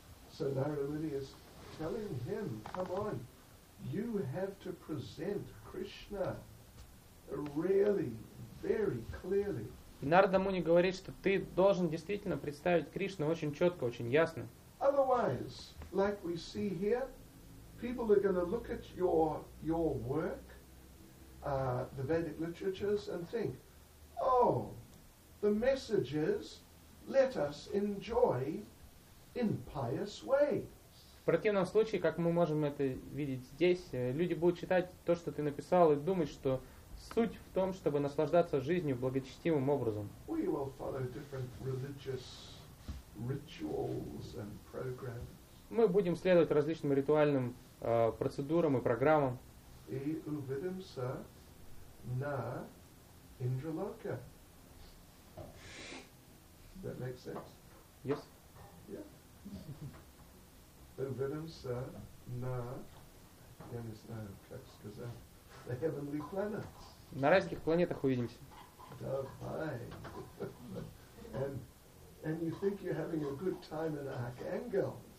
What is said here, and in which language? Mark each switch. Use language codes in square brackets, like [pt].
[en] So Narayana is telling him, come on, you have to present Krishna really very clearly. [ru] Нарада Муни говорит, что ты должен действительно представить Кришну очень четко, очень ясно. [en] Otherwise, like we see here, people are going to look at your work, the Vedic literatures, and think, oh, the message is, let us enjoy in pious ways. [ru] В противном случае, как мы можем это видеть здесь, люди будут читать то, что ты написал, и думать, что суть в том, чтобы наслаждаться жизнью благочестивым образом. [en] We will follow different religious rituals and programs. [ru] Мы будем следовать различным ритуальным процедурам и программам. И увидимся на Индралоке. [en] That makes sense? Yes. Yeah. [ru] Увидимся на, я не знаю, как сказать, [en] the heavenly planets. [ru] На райских планетах увидимся. Давай. [en] And you think you're having a good time in Arkhangel.